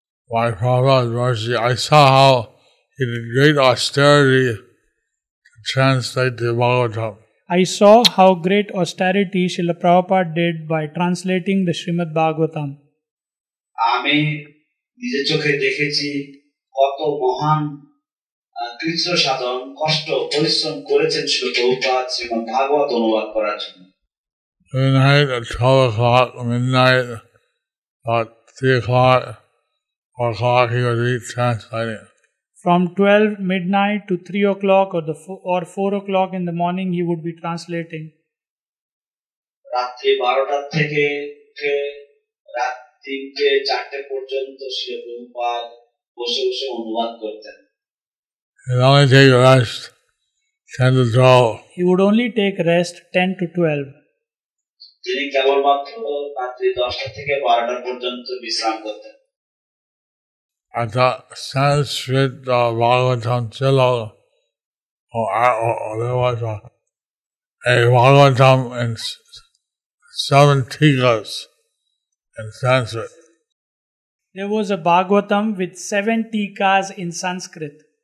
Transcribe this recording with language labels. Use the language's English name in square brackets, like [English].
[English] By Prabhupada's mercy, I saw how he did great austerity to translate the Bhagavatam. I saw how great austerity Srila Prabhupada did by translating the Srimad Bhagavatam. [Bangla] আমি নিজে চোখে দেখেছি কত মহান কৃচ্ছ্র সাধন, কষ্ট, পরিশ্রম করেছেন শ্রী প্রভুপাদ শ্রীমদ ভাগবত অনুবাদ করার জন্য. [English] Midnight at 12 o'clock, midnight at 3 o'clock, 4 o'clock, he would read translating. from 12 midnight to 3 o'clock or the 4, or 4 o'clock in the morning he would be translating. [Bangla] রাত্রি 12টা থেকে উঠে রাত 3টে 4টে পর্যন্ত শ্রী প্রভুপাদ বসে বসে অনুবাদ করতেন. [English] He'd only take rest 10 to 12. He would only take rest 10 to 12. [Bangla] তিনি কেবলমাত্র রাত্রি 10টা থেকে 12টা পর্যন্ত বিশ্রাম করতেন. [English] And the Sanskrit Bhagavatam Silog, or there was a Bhagavatam in 7 tikas in Sanskrit. There was a Bhagavatam with 7 tikas in Sanskrit.